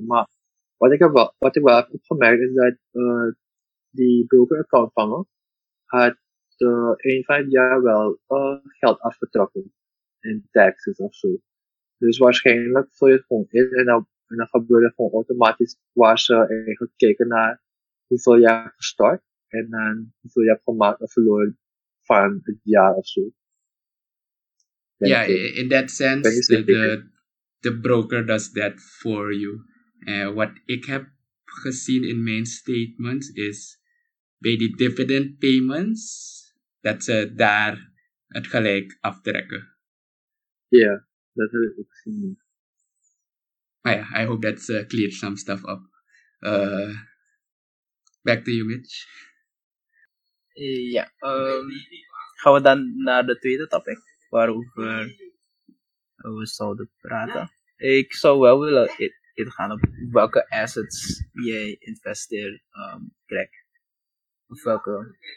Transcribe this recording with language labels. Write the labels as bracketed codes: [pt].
[nl] Maar wat ik wel heb opgemerkt is dat die broker account van me had een van het jaar wel geld afgetrokken in taxes of zo. Dus waarschijnlijk vul je het gewoon in en dan gebeurde gewoon automatisch waar ze eigenlijk keken naar hoeveel jij hebt gestort en dan hoeveel je hebt gemaakt of verloren van het jaar of zo. [en] Yeah, in that sense, the broker does that for you. [nl] What ik heb gezien in mijn statements is bij die dividend payments, dat ze daar het gelijk aftrekken. Ja, dat heb ik gezien. Maar ja, [en] I hope that's cleared some stuff up. Back to you, Mitch. [nl] Ja, gaan we dan naar de tweede topic waarover we zouden praten. Ik zou wel willen ingaan op welke assets jij investeert, Greg. Of welke...